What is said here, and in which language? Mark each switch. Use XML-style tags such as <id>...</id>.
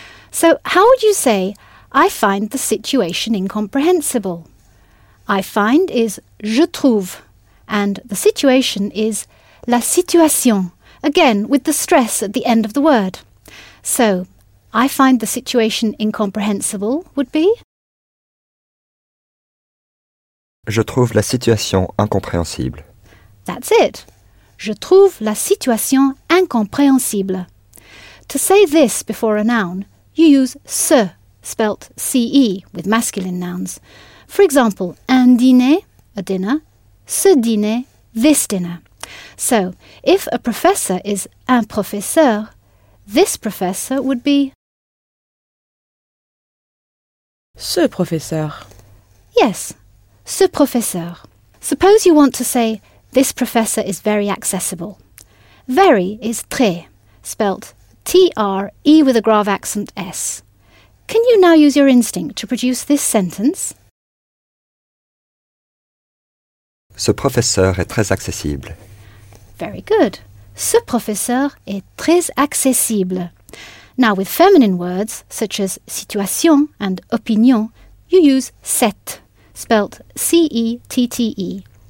<en>So, how would you say, I find the situation incomprehensible? I find is</en> <fr>je trouve,</fr> <en>and the situation is</en> <fr>la situation,</fr> <en>again with the stress at the end of the word. So, I find the situation incomprehensible would be?</en> <fr>Je trouve la situation incompréhensible.</fr> <en>That's it.</en> <fr>Je trouve la situation incompréhensible.</fr> <en>To say this before a noun, you use se, spelt C-E, with masculine nouns. For example,</en> <fr>un dîner,</fr> <en>a dinner,</en> <fr>ce dîner,</fr> <en>this dinner. So, if a professor is un professeur, this professor would be</en> <fr>ce professeur.</fr> <en>Yes,</en> <fr>ce professeur.</fr> <en>Suppose you want to say, this professor is very accessible. Very is très, spelt T-R-E with a grave accent S. Can you now use your instinct to produce this sentence?</en> <fr>Ce professeur est très accessible.</fr> <en>Very good.</en> <fr>Ce professeur est très accessible.</fr> <en>Now, with feminine words, such as situation and opinion, you use cette, spelt C-E-T-T-E.</en>